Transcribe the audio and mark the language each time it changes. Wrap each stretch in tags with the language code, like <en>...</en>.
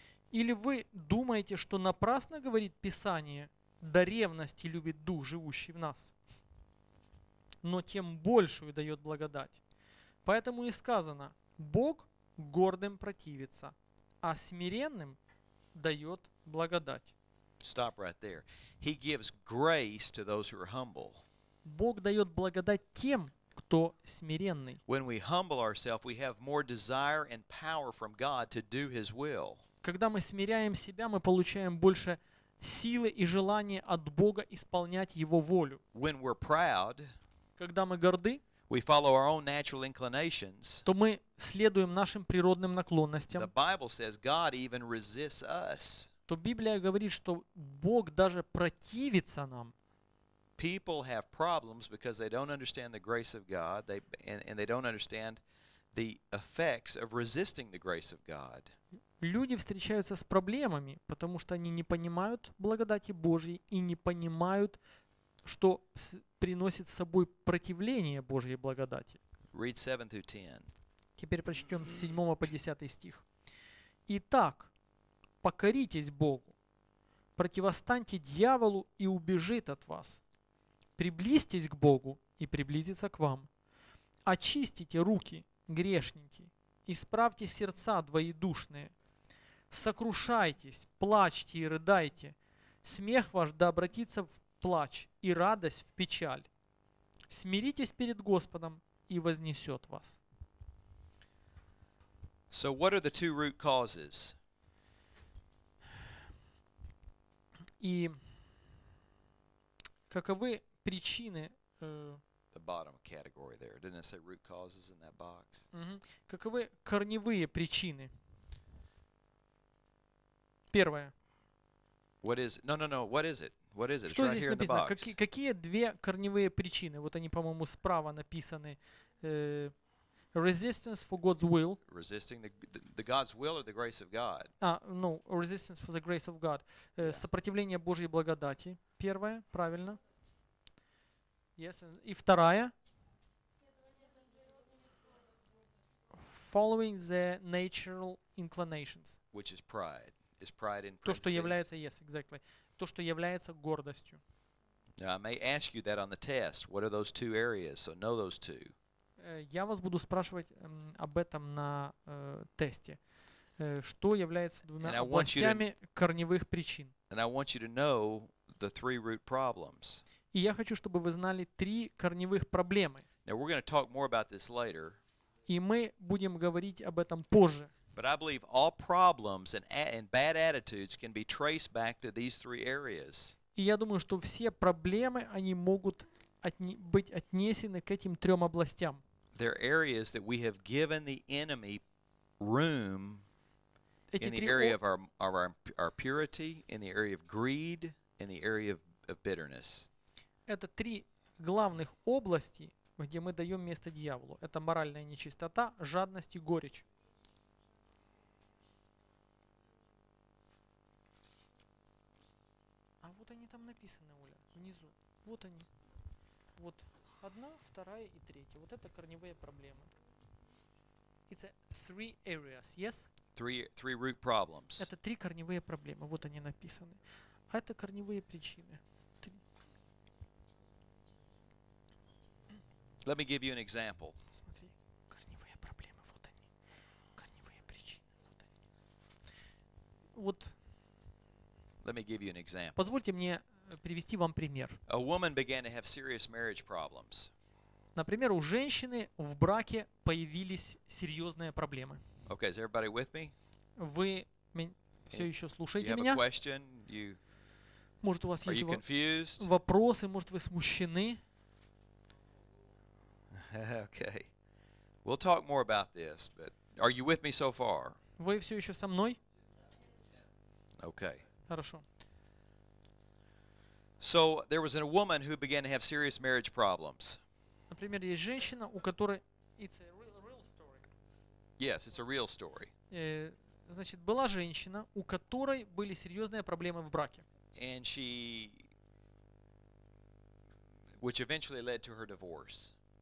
<ru>Или вы думаете, что напрасно говорит Писание, да ревности любит дух, живущий в нас, но тем большую дает благодать. Поэтому и сказано, Бог гордым противится, а смиренным дает благодать.</ru> <en>Stop right there. He gives grace to those who are humble.</en> <ru>Бог дает благодать тем, кто смиренный.</ru> <en>When we humble ourselves, we have more desire and power from God to do His will.</en> <ru>Когда мы смиряем себя, мы получаем больше силы и желания от Бога исполнять Его волю.</ru> <en>When we're proud,</en> <ru>когда мы горды,</ru> <en>we follow our own natural inclinations,</en> <ru>то мы следуем нашим природным наклонностям.</ru> <en>The Bible says God even resists us.</en> <ru>То Библия говорит, что Бог даже противится нам.</ru> <en>People have problems because they don't understand the grace of God, and they don't understand the effects of resisting the grace of God.</en> <ru>Люди встречаются с проблемами, потому что они не понимают благодати Божьей и не понимают, что приносит с собой противление Божьей благодати.</ru> <en>Read 7 through 10.</en> <ru>Теперь прочтем с 7 по 10 стих. Итак, покоритесь Богу, противостаньте дьяволу, и убежит от вас. Приблизьтесь к Богу, и приблизится к вам. Очистите руки, грешники, исправьте сердца двоедушные. Сокрушайтесь, плачьте и рыдайте. Смех ваш да обратится в плач и радость в печаль. Смиритесь перед Господом, и вознесет вас.</ru> <en>So what are the two root causes?</en> <ru>И каковы причины?</ru> <en>The bottom category there. Didn't I say root causes in that box?</en> <ru>Каковы корневые причины? Первое.</ru> <en>What is? No. What is it? What is it?</en> <ru>Что здесь написано? Какие две корневые причины? Вот они, по-моему, справа написаны.</ru> <en>Resistance for God's will. Resisting the God's will or the grace of God. Resistance for the grace of God.</en> <ru>Сопротивление Божьей благодати. Первое, правильно?</ru> <en>Yes.</en> <ru>И вторая.</ru> <en>Following the natural inclinations. Which is pride. Is pride in</en> <ru>princes? То, что является,</ru> <en>yes, exactly.</en> <ru>То, что является гордостью.</ru> <en>Now I may ask you that on the test. What are those two areas? So know those two.</en> <ru>Я вас буду спрашивать об этом на тесте. Что является двумя областями корневых причин?</ru> <en>And I want you to know the three root problems.</en> <ru>И я хочу, чтобы вы знали три корневых проблемы.</ru> <en>Now we're going to talk more about this later.</en> <ru>И мы будем говорить об этом позже.</ru> <en>But I believe all problems and bad attitudes can be traced back to these three areas.</en> <ru>И я думаю, что все проблемы, они могут быть отнесены к этим трем областям.</ru> <en>There are areas that we have given the enemy room in the area of our purity, in the area of greed, in the area of bitterness.</en> <ru>Это три главных области, где мы даем место дьяволу. Это моральная нечистота, жадность и горечь. А вот они там написаны, Оля, внизу. Вот они. Вот одна, вторая и третья. Вот это корневые проблемы.</ru> <en>It's three areas, yes? Three root problems.</en> <ru>Это три корневые проблемы. Вот они написаны. А это корневые причины.</ru> <en>Let me give you an example.</en> <ru>Смотри, корневые проблемы. Вот они. Корневые причины. Вот они. Вот.</ru> <en>Let me give you an example.</en> <ru>Позвольте мне привести вам пример.</ru> <en>A woman began to have serious marriage problems.</en> <ru>Например, у женщины в браке появились серьезные проблемы.</ru> <en>Okay, is everybody with me?</en> <ru>Вы все еще слушаете меня?</ru> <en>You have a question? You...</en> <ru>Может, у вас</ru> <en>Are</en> <ru>есть</ru> <en>you confused?</en> <ru>Вопросы? Может, вы смущены?</ru> <en>Okay. We'll talk more about this, but are you with me so far?</en> <ru>Вы все еще со мной?</ru> <en>Okay.</en> <ru>Хорошо.</ru> <en>So there was a woman who began to have serious marriage problems.</en> <ru>Например, есть женщина, у которой</ru> <en>it's a real story. Yes, it's a real story.</en> <ru>Значит, была женщина, у которой были серьезные проблемы в браке.</ru> <en>And she, which eventually led to her divorce.</en>